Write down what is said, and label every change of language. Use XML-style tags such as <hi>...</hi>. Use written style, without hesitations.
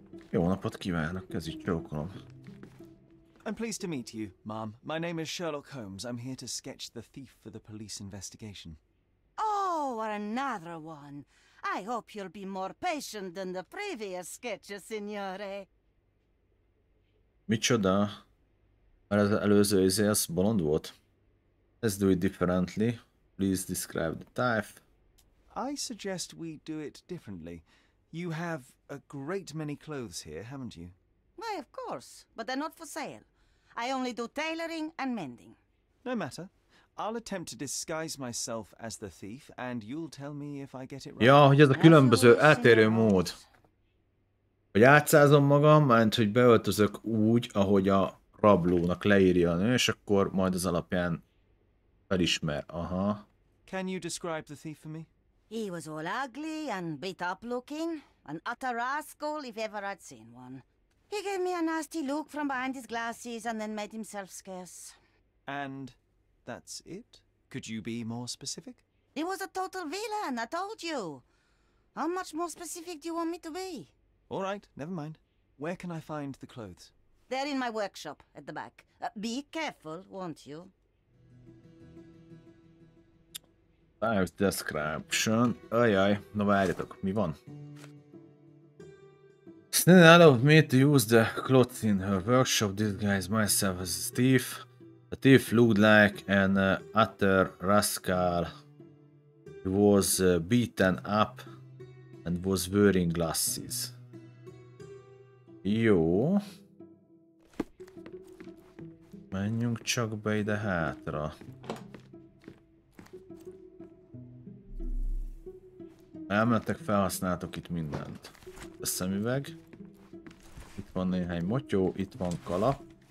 <hu>Jó napot kívánok, ez így csókolom.</hu> <en>I'm pleased to meet you, ma'am. My name is Sherlock Holmes. I'm here to sketch the thief for the police investigation. Oh, another one. I hope you'll be more patient than the previous sketches, signore.</en> <hu>Micsoda? Mert az előző izé, az bolond volt.</hu> <en>Let's do it differently. Please describe the type. I suggest we do it differently. You have a great many clothes here, haven't you? Why, of course. But they're not for sale. I only do tailoring and mending. No matter. I'll attempt to disguise myself as the thief, and you'll tell me if I get it right.</en> <hu>Ja, hogy ez a különböző eltérő mód. Hogy átszázom magam, mert hogy beöltözök úgy, ahogy a rablónak leírja a nő, és akkor majd az alapján felismer. Aha.</hu> <en>Can you describe the thief for me? He was all ugly and beat up looking. An utter rascal if ever I'd seen one. He gave me a nasty look from behind his glasses and then made himself scarce. And that's it? Could you be more specific? He was a total villain, I told you. How much more specific do you want me to be? All right, never mind. Where can I find the clothes? They're in my workshop at the back. Be careful, won't you? Life description.</en> <hu>Ajaj, na várjatok, mi van?</hu> <en>Sneed allowed me to use the clothes in her workshop. Disguised myself as a thief. The thief looked like an utter rascal. He was beaten up and was wearing glasses.</en> <hu>Jó. Menjünk csak be ide hátra. Elmentek, felhasználtok itt mindent. A szemüveg. Itt van néhány motyó, itt van kalap.</hu>